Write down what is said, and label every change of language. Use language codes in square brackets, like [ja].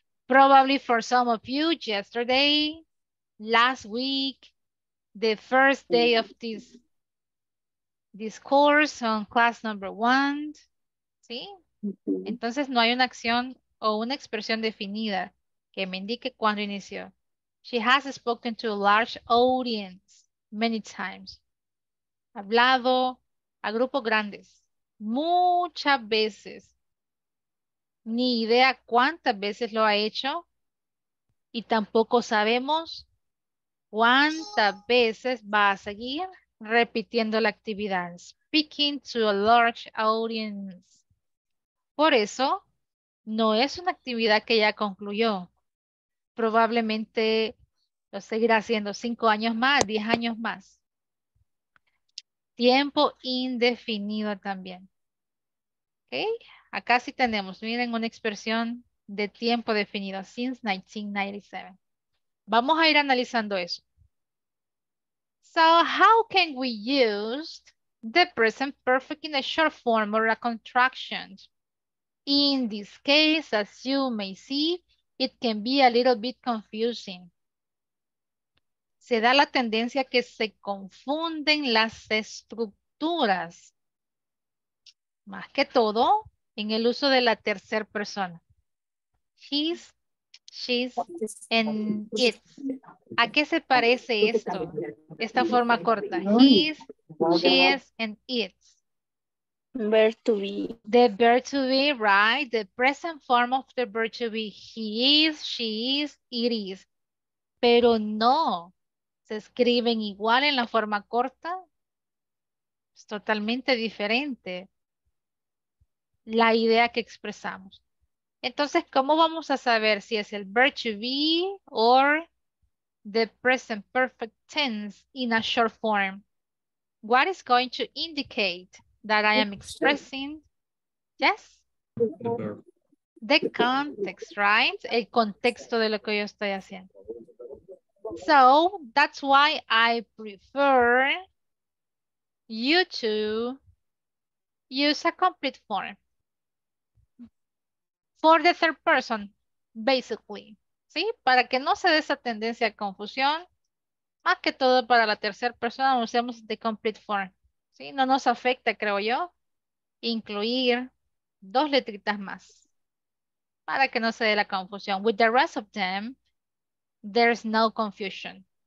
[en] Probably for some of you, yesterday, last week, the first day of this course on class number one. [es] ¿Sí? Entonces no hay una acción o una expresión definida que me indique cuándo inició. [en] She has spoken to a large audience many times. [es] Hablado a grupos grandes muchas veces. Ni idea cuántas veces lo ha hecho y tampoco sabemos cuántas veces va a seguir repitiendo la actividad. [en] Speaking to a large audience. [es] Por eso, no es una actividad que ya concluyó. Probablemente lo seguirá haciendo 5 años más, 10 años más. Tiempo indefinido también. ¿Okay? Acá sí tenemos, miren, una expresión de tiempo definido, [en] since 1997. [es] Vamos a ir analizando eso. [en] So, how can we use the present perfect in a short form or a contraction? In this case, as you may see, it can be a little bit confusing. [es] Se da la tendencia que se confunden las estructuras. Más que todo, en el uso de la tercera persona. [en] He's, she's, and it's. [es] ¿A qué se parece esto? Esta forma corta. [en] He's, she's, and it's. Verb to be. The verb to be, right? The present form of the verb to be. He is, she is, it is. [es] Pero no. Se escriben igual en la forma corta. Es totalmente diferente la idea que expresamos. Entonces, ¿cómo vamos a saber si es el [en] verb to be or the present perfect tense in a short form? What is going to indicate that I am expressing, yes? The context, right? [es] El contexto de lo que yo estoy haciendo. [en] So, that's why I prefer you to use a complete form. For the third person, basically. [es] ¿Sí? Para que no se dé esa tendencia a confusión, más que todo para la tercera persona, usemos [en] the complete form. [es] ¿Sí? No nos afecta, creo yo, incluir 2 letritas más para que no se dé la confusión. [en] With the rest of them, there's no confusion.